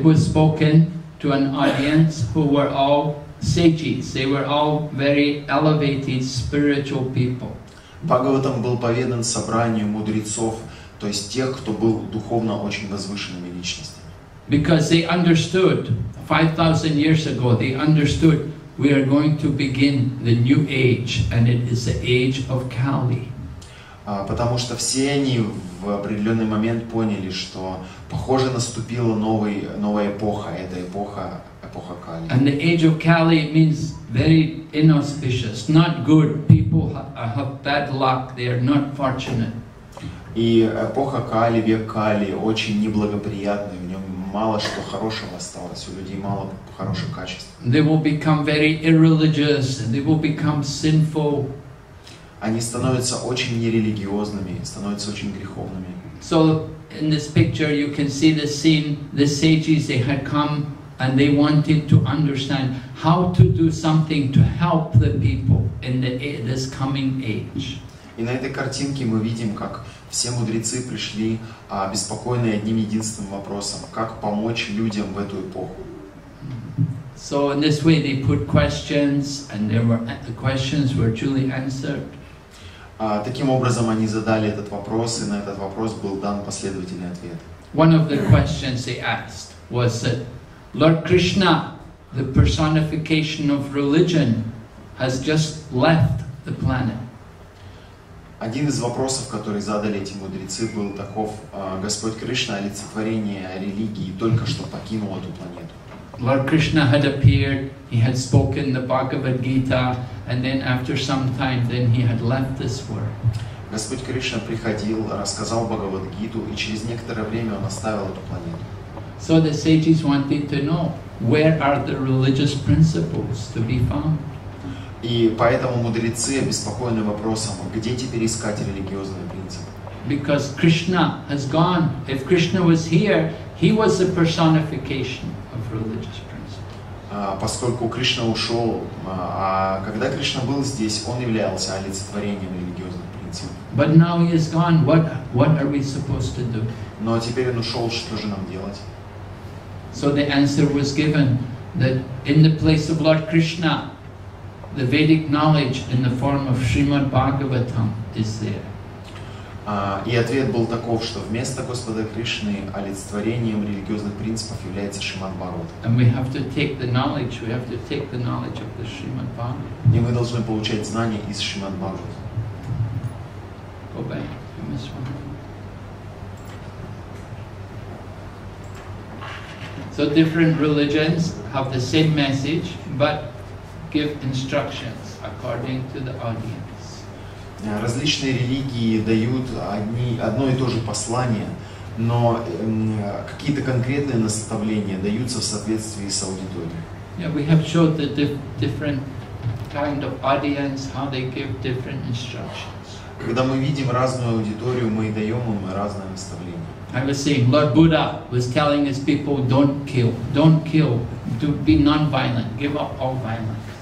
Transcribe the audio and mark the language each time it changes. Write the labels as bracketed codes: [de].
[en] It was spoken to an audience who were all sages. They were all very elevated spiritual people. [ru] Бхагаватам был поведан собранию мудрецов, то есть тех, кто был духовно очень возвышенными личностями. [en] Because they understood 5,000 years ago, they understood we are going to begin the new age, and it is the age of Kali. [ru] Потому что все они в определенный момент поняли, что похоже наступила новая эпоха, это эпоха Кали. [en] And the age of Kali means very inauspicious, not good. People have bad luck, they are not fortunate. [ru] И эпоха Кали, век Кали очень неблагоприятный, в нем мало что хорошего осталось, у людей мало хороших качеств. [en] They will become very irreligious, they will become sinful. [ru] Они становятся очень нерелигиозными, становятся очень греховными. [en] So in this picture you can see the scene, the sages, they had come and they wanted to understand how to do something to help the people in this coming age. [ru] И на этой картинке мы видим, как все мудрецы пришли, обеспокоенные одним единственным вопросом, как помочь людям в эту эпоху. [en] So in this way they put questions and the questions were truly answered. [ru] Таким образом, они задали этот вопрос, и на этот вопрос был дан последовательный ответ. [en] One of the questions they asked was that Lord Krishna, the personification of religion, has just left the planet. [ru] Один из вопросов, который задали эти мудрецы, был таков: Господь Кришна, олицетворение религии, только что покинул эту планету. [en] Lord Krishna had appeared, he had spoken the Bhagavad Gita, and then after some time, then he had left this world. [ru] Господь Кришна приходил, рассказал Бхагавад-гиту, и через некоторое время он оставил эту планету. [en] So the sages wanted to know, where are the religious principles to be found? [ru] И поэтому мудрецы обеспокоены вопросом, где теперь искать религиозные принципы? [en] Because Krishna has gone. If Krishna was here, he was the personification of religious principles. [ru] Поскольку Кришна ушел, а когда Кришна был здесь, он являлся олицетворением религиозных принципов. [en] But now he is gone. What are we supposed to do? [ru] Но теперь он ушел, что же нам делать? [en] So the answer was given that in the place of Lord Krishna, the Vedic knowledge in the form of Srimad Bhagavatam is there. [ru] И ответ был таков, что вместо Господа Кришны олицетворением религиозных принципов является Шримад Бхагаватам. [en] And we have to take the knowledge. We have to take the knowledge of the Srimad Bhagavatam. [ru] И мы должны получать знания из Шримад Бхагаватам. [en] Go back. You missed one. So different religions have the same message, but give instructions according to the audience. [ru] Различные религии дают одно и то же послание, но какие-то конкретные наставления даются в соответствии с аудиторией. [en] Yeah, we have showed the different kind of audience, how they give different instructions. [ru] Когда мы видим разную аудиторию, мы даем им разные наставления. [en] I was saying, Lord Buddha was telling his people, don't kill, don't kill, to be non-violent, give up all violence.